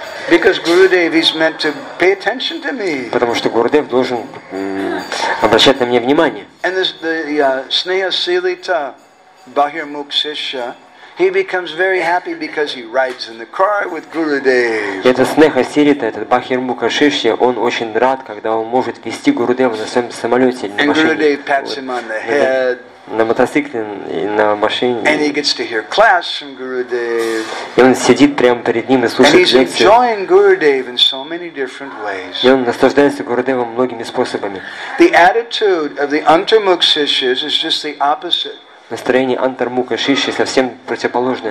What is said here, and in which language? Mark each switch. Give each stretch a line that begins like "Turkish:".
English: Because Gurudev is meant to pay attention to me.
Russian: Потому что Гурудев должен обращать на меня внимание.
English: And the Sneha Silita Bahir Mukshisha, he becomes very happy because he rides in the car with Gurudev.
Russian: Это Снеха Силита, этот Бахир Мукшишья, он очень рад, когда он может вести Гурудева на своем самолете или на машине.
English: And Gurudev pats him on the head.
Russian: На мотоцикле и на машине.
English: And he gets to hear class from Gurudev.
Russian: И он сидит прямо перед ним и слушает лекции.
English: And he's enjoying Gurudev in so many different ways.
Russian: И он наслаждается Гурудевом многими способами.
English: The attitude of the Antarmukshishyas is just the opposite.
Russian: Настроение Антармукшишьи совсем противоположное.